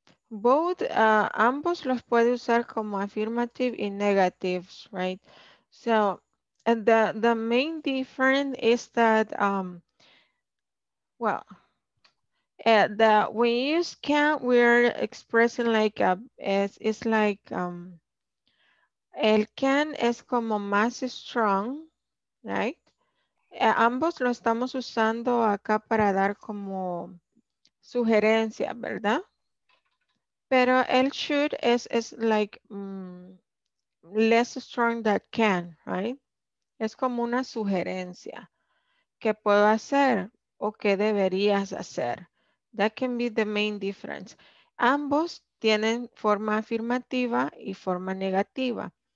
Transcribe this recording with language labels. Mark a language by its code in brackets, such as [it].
[es] Both, ambos los puede usar como affirmative y negatives, right? [en] So, and the main difference is that, well, when you use can, we're expressing like, it's like, [es] el can es como más [en] strong, right? [es] Ambos lo estamos usando acá para dar como sugerencia, ¿verdad? Pero el [en] should is like less strong than can, right? [es] Es como una sugerencia. ¿Qué puedo hacer? ¿O qué deberías hacer? [en] That can be the main difference. [es] Ambos tienen forma afirmativa y forma negativa.